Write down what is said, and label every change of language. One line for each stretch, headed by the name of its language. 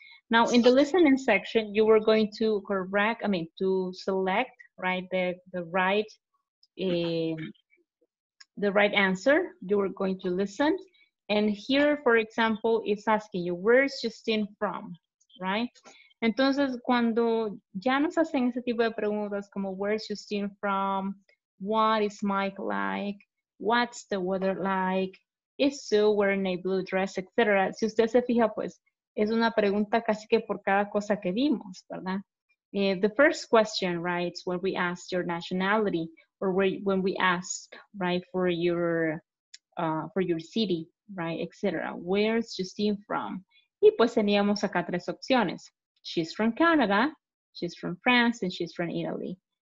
English: Now, in the listening section, you were going to select, right, the right answer. You were going to listen. And here, for example, it's asking you, where's Justin from, right?
Spanish: Entonces, cuando ya nos hacen ese tipo de preguntas como,
English: where's Justin from? What is Mike like? What's the weather like? Is Sue wearing a blue dress, etc.?
Spanish: Si usted se fija, pues, es una pregunta casi que por cada cosa que vimos, ¿verdad?
English: The first question, right, is when we ask your nationality or when we ask, right, for your city, right, etc. Where's Justine from?
Spanish: Y pues teníamos acá tres opciones.
English: She's from Canada, she's from France, and she's from Italy.